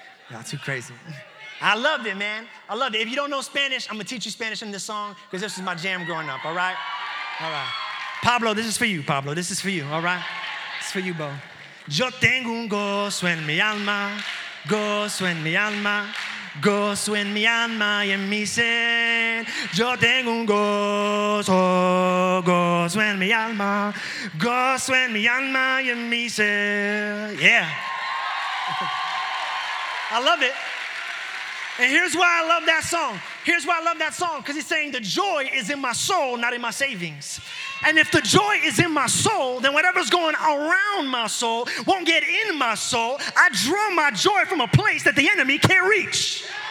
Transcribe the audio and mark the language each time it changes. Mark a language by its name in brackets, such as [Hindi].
[English] Y'all too crazy. I love it, man. I love it. If you don't know Spanish, I'm gonna teach you Spanish in this song because this is my jam growing up, all right? All right. Pablo, this is for you, Pablo. This is for you, all right? It's for you, Bo. [Spanish] Yo tengo un gozo en mi alma, gozo en mi alma, gozo en mi alma y en mi ser. Yo tengo un gozo, gozo en mi alma, gozo en mi alma y en mi ser. [English] Yeah. I love it. And here's why I love that song. Here's why I love that song, because he's saying the joy is in my soul, not in my savings. And if the joy is in my soul, then whatever's going around my soul won't get in my soul. I draw my joy from a place that the enemy can't reach.